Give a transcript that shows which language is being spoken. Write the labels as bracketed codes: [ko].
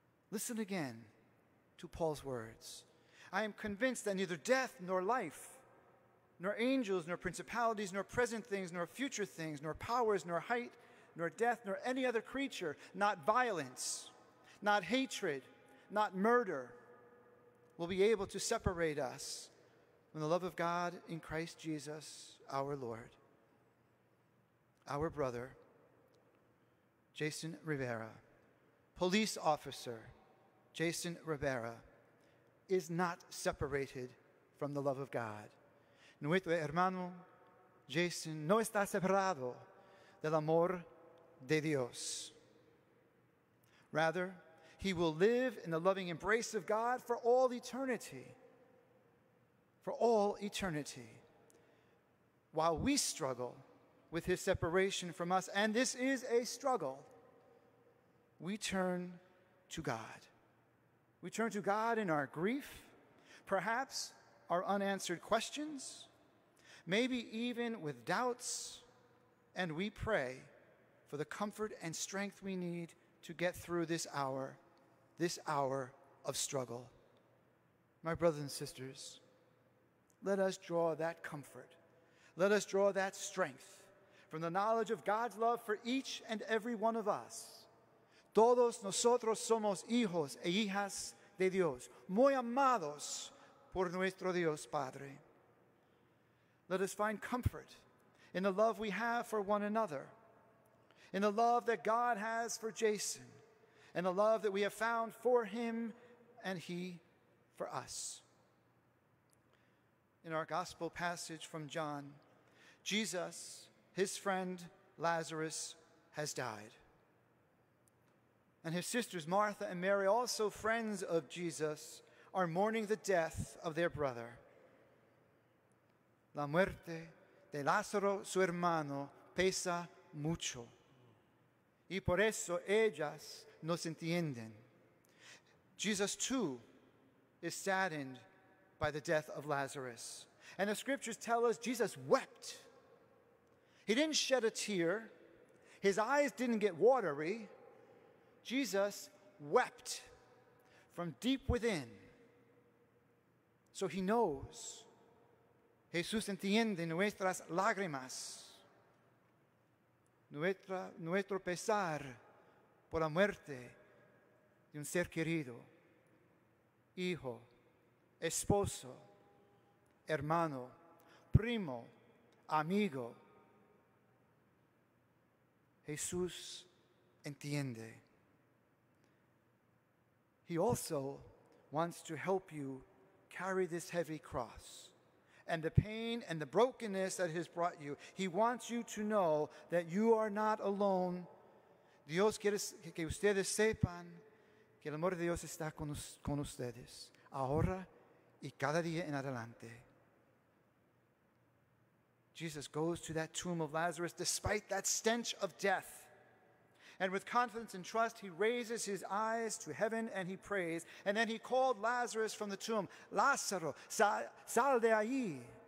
[en] Listen again to Paul's words. I am convinced that neither death nor life, nor angels, nor principalities, nor present things, nor future things, nor powers, nor height, nor death, nor any other creature, not violence, not hatred, not murder, will be able to separate us from the love of God in Christ Jesus, our Lord. Our brother, Jason Rivera, police officer Jason Rivera, is not separated from the love of God. [es] Nuestro hermano Jason no está separado del amor de Dios. [en] Rather, he will live in the loving embrace of God for all eternity. For all eternity. While we struggle with his separation from us, and this is a struggle, we turn to God. We turn to God in our grief, perhaps our unanswered questions, maybe even with doubts, and we pray for the comfort and strength we need to get through this hour of struggle. My brothers and sisters, let us draw that comfort. Let us draw that strength from the knowledge of God's love for each and every one of us. [es] Todos nosotros somos hijos e hijas de Dios, muy amados por nuestro Dios Padre. [en] Let us find comfort in the love we have for one another, in the love that God has for Jason, and the love that we have found for him and he for us. In our gospel passage from John, Jesus, his friend Lazarus, has died. And his sisters Martha and Mary, also friends of Jesus, are mourning the death of their brother. [es] La muerte de Lázaro, su hermano, pesa mucho. Y por eso ellas nos entienden. [en] Jesus, too, is saddened by the death of Lazarus. And the scriptures tell us Jesus wept. He didn't shed a tear. His eyes didn't get watery. Jesus wept from deep within. So he knows. [es] Jesús entiende nuestras lágrimas, nuestro pesar por la muerte de un ser querido, hijo, esposo, hermano, primo, amigo. Jesús entiende. [en] He also wants to help you carry this heavy cross and the pain and the brokenness that has brought you. He wants you to know that you are not alone. [es] Dios quiere que ustedes sepan que el amor de Dios está con ustedes ahora y cada día en adelante. [en] Jesus goes to that tomb of Lazarus despite that stench of death. And with confidence and trust, he raises his eyes to heaven and he prays. And then he called Lazarus from the tomb. [es] Lázaro, sal de ahí.